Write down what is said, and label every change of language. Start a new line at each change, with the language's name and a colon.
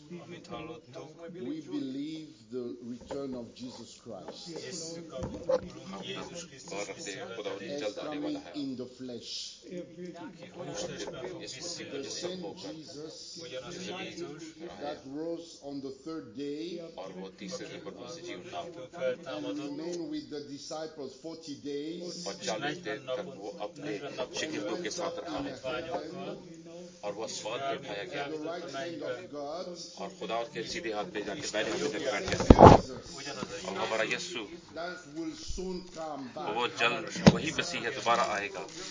English: We believe the return of Jesus Christ.
Urdu: ہم یسوع مسیح خدا کی جلد آنے والا ہے.
English: In the flesh. The same Jesus that rose on the third day.
Urdu: اور وہ تیسرے دن پر زندہ ہوا.
English: And remain with the disciples 40 days.
Urdu: 40 دن تک وہ اپنے شاگردوں کے ساتھ رہا ہے اور وہ سواد پہ اٹھایا گیا اور خدا کے سیدھے ہاتھ پہ جا کے بیٹھے ہوئے تھے بیٹھے تھے. اور ہمارا یسوع وہ جلد وہی مسیح دوبارہ آئے گا.